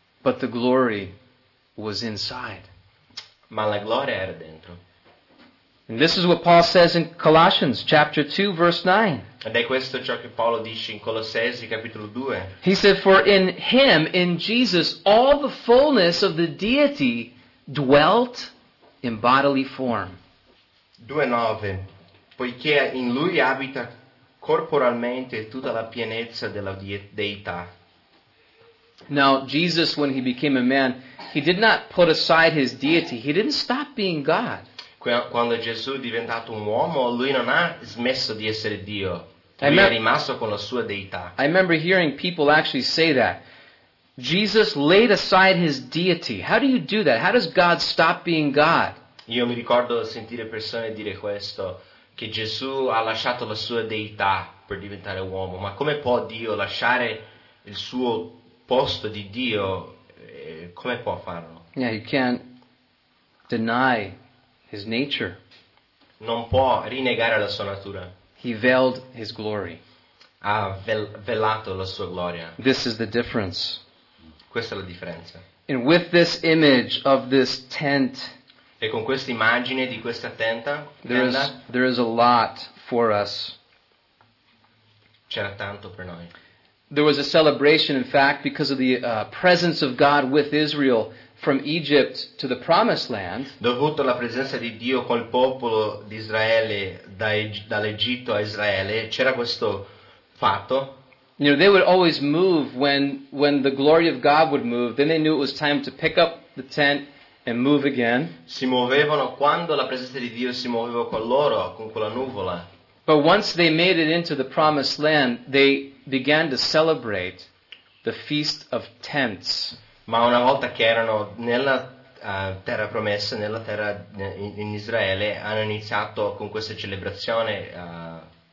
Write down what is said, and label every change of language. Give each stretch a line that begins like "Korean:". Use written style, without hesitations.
English: But the glory was inside.
Italian: Ma la gloria era dentro.
English: And this is what Paul says in Colossians chapter 2 verse 9.
Italian: Ed è questo ciò che Paolo dice in Colossesi capitolo 2.
English: He said, for in him, in Jesus, all the fullness of the deity dwelt in bodily form.
Italian: 2:9. Poiché in lui abita corporalmente tutta la pienezza della deità.
English: Now, Jesus, when he became a man, he did not put aside his deity. He didn't stop being God.
Italian: Quando Gesù è diventato un uomo, lui non ha smesso di essere Dio. Lui è rimasto con la sua deità.
English: I remember hearing people actually say that. Jesus laid aside his deity. How do you do that? How does God stop being God?
Italian: Io mi ricordo sentire persone dire questo, che Gesù ha lasciato la sua deità per diventare uomo. Ma come può Dio lasciare il suo posto di Dio, come può farlo?
English: Yeah, you can't deny his nature.
Italian: Non può rinnegare la sua natura.
English: He veiled his glory.
Italian: Ha velato la sua gloria.
English: This is the difference.
Italian: Questa è la differenza.
English: And with this image of this tent,
Italian: e con questa immagine di questa tenda,
English: there is a lot for us.
Italian: C'era tanto per noi.
English: There was a celebration, in fact, because of the presence of God with Israel from Egypt to the Promised Land.
Italian: Dovuto alla presenza di Dio col popolo di Israele dall'Egitto a Israele, c'era questo fatto.
English: You know, they would always move when the glory of God would move. Then they knew it was time to pick up the tent and move again.
Italian: Si muovevano quando la presenza di Dio si muoveva con loro, con quella nuvola.
English: But once they made it into the Promised Land, they began to celebrate the Feast of Tents.
Italian: Ma una volta che erano nella terra promessa, nella terra in Israele, hanno iniziato con questa celebrazione.